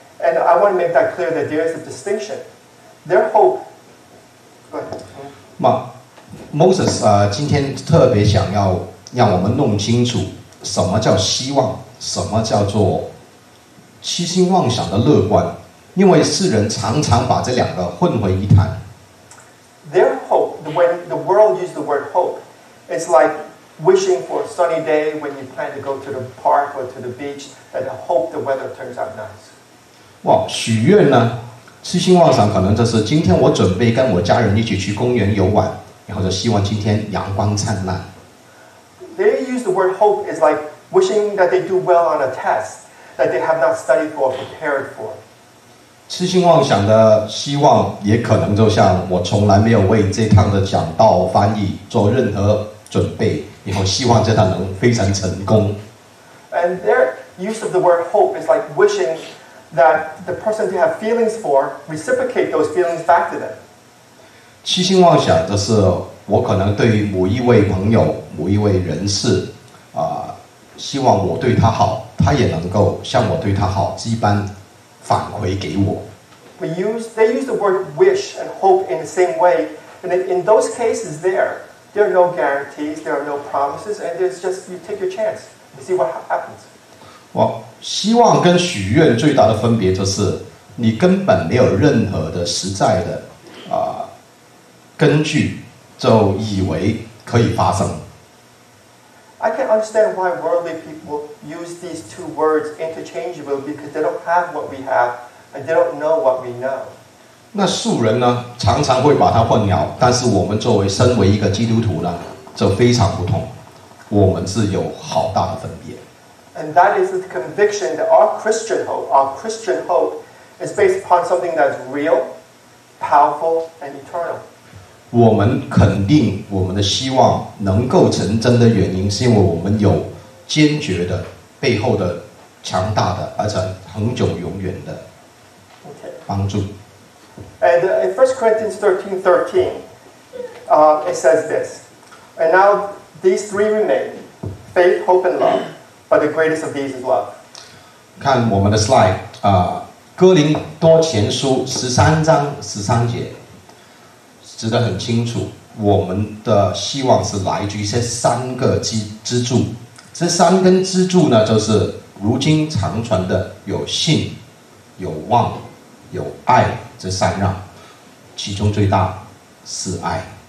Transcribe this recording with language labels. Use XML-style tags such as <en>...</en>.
<en>And I want to make that clear that there is a distinction. Their hope. Go ahead.</en> <zh>Moses, 今天特别想要让我们弄清楚什么叫希望，什么叫做痴心妄想的乐观，因为世人常常把这两个混为一谈。</zh> <en>Their hope, when the world uses the word hope, it's like wishing for a sunny day when you plan to go to the park or to the beach and hope the weather turns out nice.</en> <zh>哇，许愿呢？痴心妄想可能就是今天我准备跟我家人一起去公园游玩，然后就希望今天阳光灿烂。</zh> <en>They use the word hope is like wishing that they do well on a test that they have not studied for or prepared for.</en> <zh>痴心妄想的希望也可能就像我从来没有为这趟的讲道翻译做任何准备，然后希望这趟能非常成功。</zh> <en>And their use of the word hope is like wishing that the person they have feelings for reciprocate those feelings back to them.</en> <zh>痴心妄想就是我可能对某一位朋友、某一位人士，希望我对他好，他也能够像我对他好，一般反馈给我。</zh> <en>They use the word wish and hope in the same way, and in those cases, there are no guarantees, there are no promises, and it's just you take your chance to see what happens.</en> <zh>我希望跟许愿最大的分别就是，你根本没有任何的实在的根据，就以为可以发生。</zh> <en>I can understand why worldly people use these two words interchangeably because they don't have what we have and they don't know what we know.</en> <zh>那俗人呢，常常会把它混淆，但是我们作为身为一个基督徒呢，就非常不同。我们是有好大的分别。</zh> <en>And that is the conviction that our Christian hope is based upon something that's real, powerful, and eternal.</en> <zh>我们肯定我们的希望能够成真的原因，是因为我们有坚决的背后的强大的而且恒久永远的帮助。</zh> <en>Okay. And in 1 Corinthians 13:13, it says this, and now these three remain, faith, hope, and love, but the greatest of these is love.</en> <zh>看我们的 slide, 哥林多前书13:13。指得很清楚，我们的希望是来自于这三个支柱。这三根支柱呢，就是如今常传的有信、有望、有爱这三样，其中最大是爱。</zh>